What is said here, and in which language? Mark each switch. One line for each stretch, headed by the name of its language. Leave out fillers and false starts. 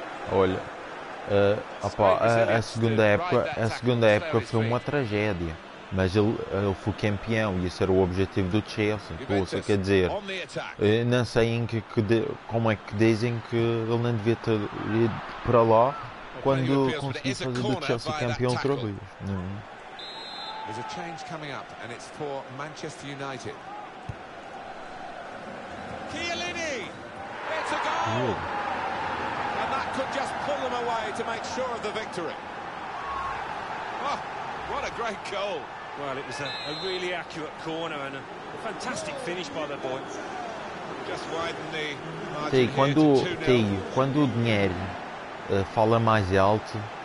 Portuguese: Olha, opa, a segunda época foi uma tragédia. Mas ele foi campeão e esse era o objetivo do Chelsea. Pô, você quer dizer, não sei em como é que dizem que ele não devia ter ido para lá quando conseguiu fazer do Chelsea campeão outra vez.
English: There's a change coming up and it's for Manchester United. Chiellini! It's a goal! And that could just pull them away to make sure of the victory. Oh, what a great goal! Well, it was a really accurate corner and a fantastic finish by the boy. Just widen the margin.
Portuguese: Sim, quando, quando o dinheiro fala mais alto.